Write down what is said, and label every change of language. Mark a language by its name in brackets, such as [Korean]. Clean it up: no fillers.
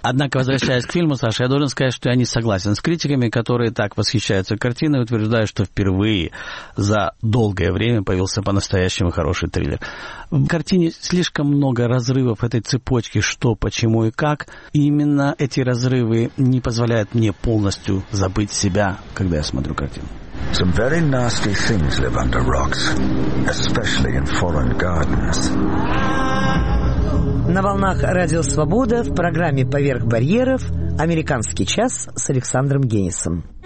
[Russian] Однако, возвращаясь к фильму, Саша, я должен сказать, что я не согласен с критиками, которые так восхищаются картиной и утверждают, что впервые за долгое время появился по-настоящему хороший триллер. В картине слишком много разрывов этой цепочки «что, почему и как». И именно эти разрывы не позволяют мне полностью забыть себя, когда я смотрю картину. [English] Some very nasty things live under rocks, especially in foreign gardens. [Russian] На волнах Радио Свобода в программе «Поверх барьеров» «Американский час» с Александром Генисом.